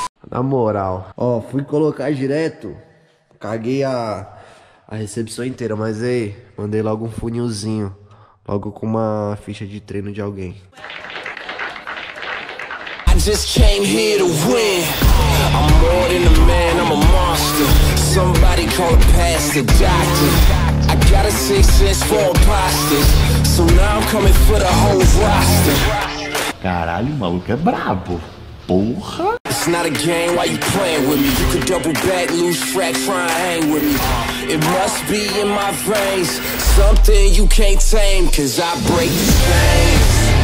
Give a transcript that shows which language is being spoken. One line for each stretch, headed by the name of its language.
Portuguese: Na moral, ó, fui colocar direto, caguei a recepção inteira, mas aí, mandei logo um funilzinho, logo com uma ficha de treino de alguém.
English: I just came here to win. I'm more than a man, I'm a monster. Somebody call the pastor, doctor. I got a sixth sense for imposters. So now I'm coming for the whole roster.
Portuguese: Caralho, o maluco é brabo. Porra.
English: It's not a game, why you playing with me? You could double back, lose track, try and hang with me. It must be in my veins. Something you can't tame, cause I break these chains.